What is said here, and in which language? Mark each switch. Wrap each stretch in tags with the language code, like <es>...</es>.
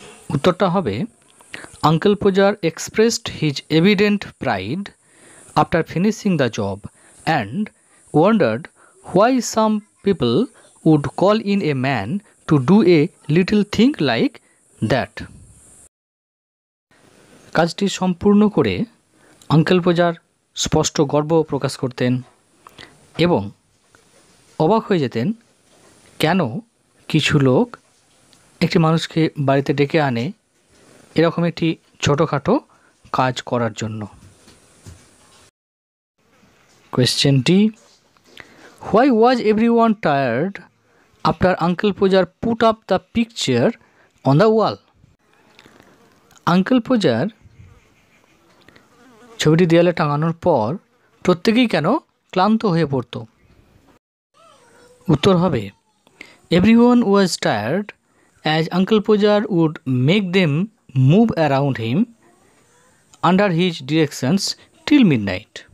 <bn>Uttor ta hobe,</bn> <en>Uncle Pojar expressed his evident pride after finishing the job and wondered why some people would call in a man to do a little thing like that.</en> <bn>কাজটি সম্পূর্ণ করে uncle পূজার স্পষ্ট গর্ব প্রকাশ করতেন এবং অবাক হয়ে যেতেন কেন কিছু লোক একটি মানুষকে বাড়িতে ডেকে আনে এরকম একটি ছোটখাটো কাজ করার জন্য।</bn> <en>Question D. Why was everyone tired after Uncle Pojar put up the picture on the wall?</en> <bn>Uncle Pojar ছবিটি দেয়ালে টাঙানোর পর প্রত্যেকেই কেন ক্লান্ত হয়ে পড়ত? উত্তর হবে,</bn> <en>Everyone was tired as uncle পূজার would make them move around him under his directions till midnight.</en>